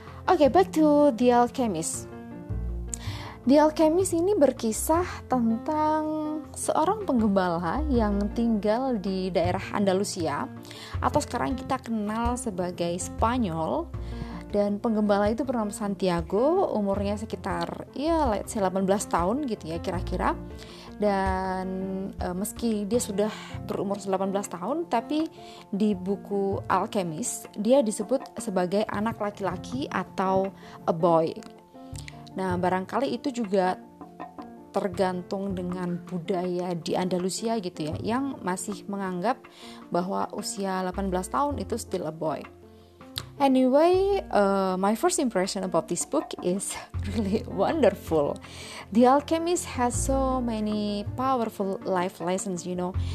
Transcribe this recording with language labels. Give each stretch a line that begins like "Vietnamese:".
English: Okay, back to The Alchemist.
Indonesian: The Alchemist ini berkisah tentang seorang penggembala yang tinggal di daerah Andalusia atau sekarang kita kenal sebagai Spanyol. Dan penggembala itu bernama Santiago, umurnya sekitar ya 18 tahun gitu ya kira-kira. Dan meski dia sudah berumur 18 tahun, tapi di buku Alchemist dia disebut sebagai anak laki-laki atau a boy. Nah, barangkali itu juga tergantung dengan budaya di Andalusia gitu ya, yang masih menganggap bahwa usia 18 tahun itu
English: still a boy. Anyway, my first impression about this book is really wonderful. The Alchemist has so many powerful life lessons, you know.